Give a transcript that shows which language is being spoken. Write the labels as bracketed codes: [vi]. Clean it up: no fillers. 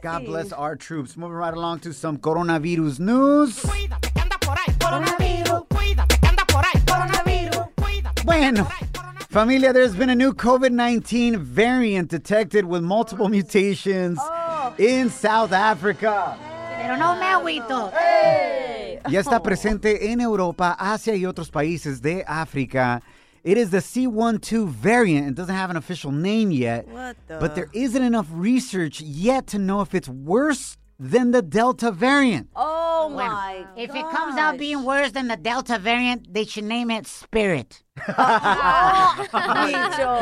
[en] God bless our troops. Moving right along to some coronavirus news. [es] Bueno, familia, [en] there's been a new COVID-19 variant detected with multiple mutations in South Africa. [es] Pero no me agüito. Ya está presente en Europa, Asia y otros países de África. [en] It is the C12 variant. It doesn't have an official name yet. But there isn't enough research yet to know if it's worse than the Delta variant. Oh, my God. If it comes out being worse than the Delta variant, they should name it Spirit. Micho.